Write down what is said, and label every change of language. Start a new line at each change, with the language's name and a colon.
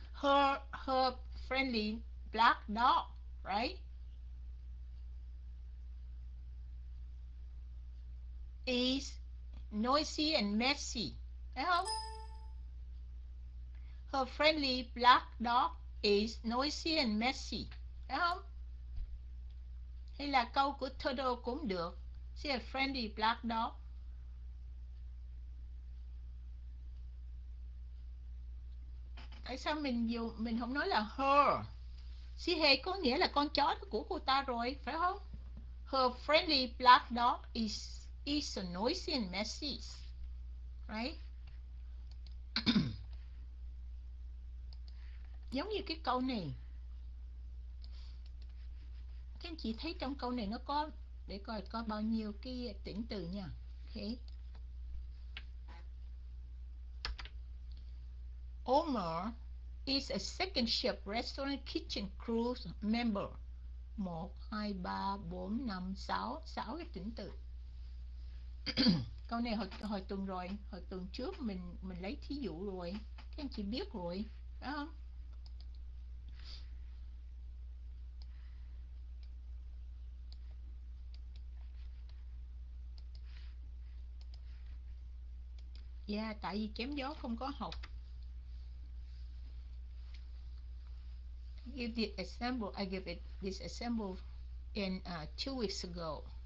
English: Her friendly black dog, right, is noisy and messy.
Vietnamese: Phải không?
English: Her friendly black dog is noisy and messy.
Vietnamese: Phải không? Hay là câu của Turtle cũng được.
English: She has a friendly black dog.
Vietnamese: Tại sao mình không nói là her?
English: She has
Vietnamese: có nghĩa là con chó của cô ta rồi, phải không?
English: Her friendly black dog is a noisy and messy. Right?
Vietnamese: Giống như cái câu này, các anh chị thấy trong câu này nó có, để coi có bao nhiêu cái tính từ nha.
English: Okay. Omar is a second shift restaurant kitchen crew member.
Vietnamese: 1, 2, 3, 4, 5, 6. 6 cái tính từ. Câu này hồi, hồi tuần rồi, hồi tuần trước mình lấy thí dụ rồi. Các anh chị biết rồi, phải không? Yeah, tại vì chém gió không có học.
English: Give the example, I give it this example in 2 weeks ago.